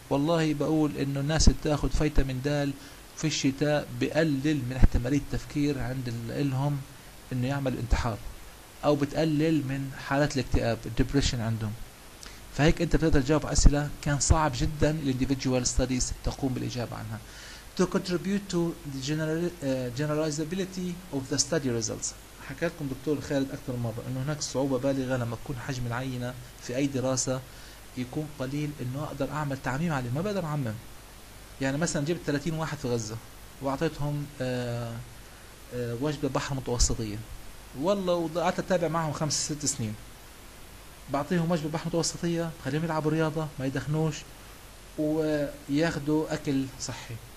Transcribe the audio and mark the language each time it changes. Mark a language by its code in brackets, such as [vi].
[ar] والله بقول انه الناس بتاخد فيتامين دال في الشتاء بقلل من احتمالية التفكير عند لهم انه يعمل انتحار، او بتقلل من حالات الاكتئاب الدبريشن عندهم. فهيك انت بتقدر تجاوب على اسئلة كان صعب جدا الانديفيدجوال ستاديز تقوم بالاجابة عنها. [en] To contribute to the generalizability of the study results. [ar] حكى لكم دكتور خالد أكثر مرة أنه هناك صعوبة بالغة لما تكون حجم العينة في أي دراسة يكون قليل أنه أقدر أعمل تعميم عليه، ما بقدر أعمم. يعني مثلا جبت 30 واحد في غزة وأعطيتهم وجبة بحر متوسطية، والله وقعدت أتابع معهم 5-6 سنين، بعطيهم وجبة بحر متوسطية بخليهم يلعبوا رياضة ما يدخنوش وياخدوا أكل صحي.